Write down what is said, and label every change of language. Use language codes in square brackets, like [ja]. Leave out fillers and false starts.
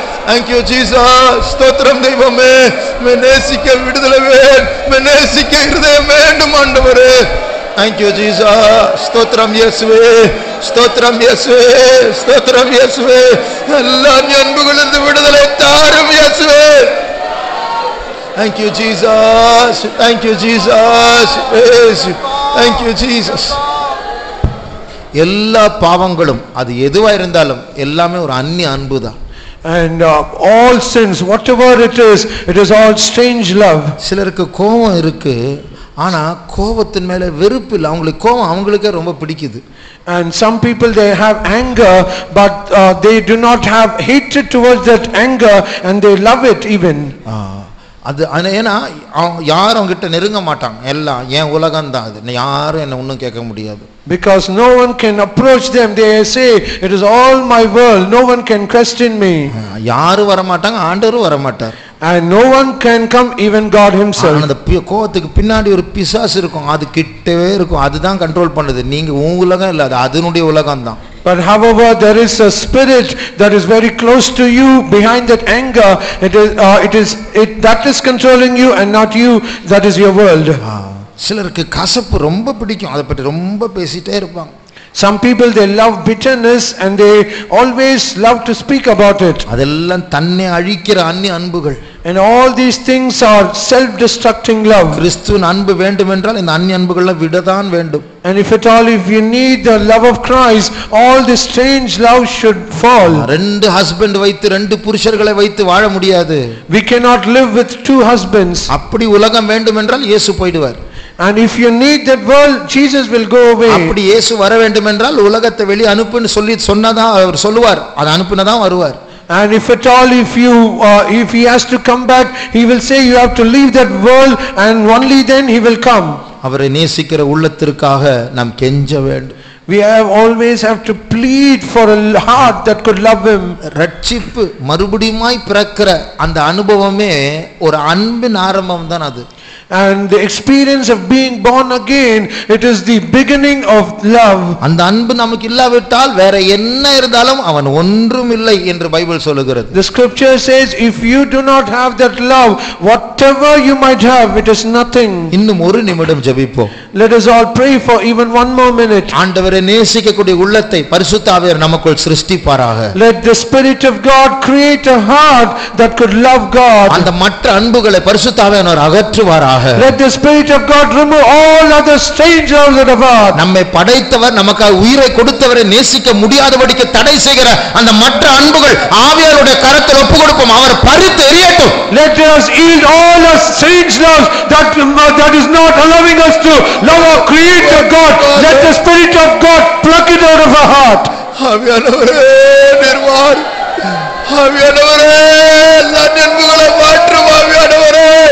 [en] Thank you Jesus, [ta] ஸ்தோத்திரம் தெய்வமே, மெனேசிக்க விடுதலை வேண், மெனேசிக்க இருதயம் வேண்டும் ஆண்டவரே. [en] Thank you Jesus, [ta] ஸ்தோத்திரம் இயேசுவே, ஸ்தோத்திரம் இயேசுவே, ஸ்தோத்திரம் இயேசுவே, எல்லா அன்புகளிலிருந்து விடுதலை தாரும் இயேசுவே. [en] Thank you Jesus, thank you Jesus, praise you. Thank you Jesus. [ta] எல்லா பாவங்களும் அது எதுவா இருந்தாலும் எல்லாமே ஒரு அன்னிய அன்புதான். [en] And all sins, whatever it is all strange love. [ta] சிலருக்கு கோபம் இருக்கு, ஆனா கோபத்தின் மேல வெறுப்பு இல்லை, அவங்களுக்கு கோபம் அவங்களுக்கே ரொம்ப பிடிக்குது. [en] And some people they have anger, but they do not have hatred towards that anger and they love it even. [ta] அது ஏன்னா யாரும் அவங்ககிட்ட நெருங்க மாட்டாங்க, எல்லாம் என் உலகம் தான், அது யாரும் என்ன ஒன்றும் கேட்க முடியாது. [en] Because no one can approach them, they say it is all my world, no one can question me. [ta] யாரும் வரமாட்டாங்க, ஆண்டவரும் வரமாட்டார். [en] And no one can come, even God himself. [ta] அந்த கோபத்துக்கு பின்னாடி ஒரு பிசாசு இருக்கும், அது கிட்டவே இருக்கும், அதுதான் கண்ட்ரோல் பண்ணுது. நீங்க உங்க உலகம் இல்ல, அது அதனுடைய உலகம் தான். [en] But however there is a spirit that is very close to you behind that anger, it is controlling you and not you, that is your world. [ta] சிலருக்கு கசப்பு ரொம்ப பிடிக்கும், அதை பத்தி ரொம்ப பேசிட்டே இருப்பாங்க. [en] Some people they love bitterness and they always love to speak about it. [ta] அதெல்லாம் தன்னை அழிக்கிற அன்னிய அன்புகள். [en] And all these things are self destructing love. [ta] கிறிஸ்துவின் அன்பு வேண்டும் என்றால் இந்த அன்னிய அன்புகளை விடதான் வேண்டும். [en] And if at all if you need the love of Christ, all this strange love should fall. [ta] ரெண்டு ஹஸ்பண்ட் வைத்து ரெண்டு புருஷர்களை வைத்து வாழ முடியாது. [en] We cannot live with two husbands. [ta] அப்படி உலகம் வேண்டும் என்றால் இயேசு போய்டுவார். [en] And if you need that world, Jesus will go away. [ta] அப்படி இயேசு வர வேண்டும் என்றால் உலகத்தை வெளிய அனுப்புன்னு சொல்லி சொன்னதான் அவர் சொல்வார், அது அனுப்புனதான் வருவார். [en] And if at all if you if he has to come back, he will say you have to leave that world and only then he will come. [ta] அவரை நேசிக்கிற உள்ளத்திற்காக நாம் கெஞ்ச வேண்டும். [en] We always have to plead for a heart that could love him. [ta] ரட்சிப்பு மறுபடியும் பிறக்கிற அந்த அனுபவமே ஒரு அன்பின் ஆரம்பம் தான் அது. [en] And the experience of being born again, it is the beginning of love. [ta] அந்த அன்பு நமக்கு இல்லாவிட்டால் வேற என்ன இருந்தாலும் அவன் ஒன்றும் இல்லை என்று பைபிள் சொல்லுகிறது. [en] The scripture says, if you do not have that love, whatever you might have, it is nothing. [ta] இன்னும் ஒரு நிமிடம் ஜெபிப்போம். [en] Let us all pray for even one more minute. [ta] ஆண்டவரே நேசிக்க கூடிய உள்ளத்தை பரிசுத்த ஆவியர் நமக்குள் சிருஷ்டிப்பாராக. [en] Let the spirit of God create a heart that could love God. [ta] அந்த மற்ற அன்புகளை பரிசுத்த ஆவியானவர் அகற்றுவாராக. [en] Let the spirit of God remove all other strangers that have heart. [ta] நம்மை படைத்தவர் நமக்கு உயிரை கொடுத்தவரை நேசிக்க முடியாதபடிக்கு தடை செய்கிற அந்த மற்ற அன்புகள் ஆவியாருடைய கரத்தில் ஒப்பு கொடுப்போம். அவர் பறித்து எறியட்டும். [en] Let us yield all our strange loves that is not allowing us to love our creator God. Let the spirit of God pluck it out of our heart. [ta] ஆவியானவரே நிர்வாண ஆவியானவரே எல்லா அன்புகளை மாற்றும் ஆவியானவரே.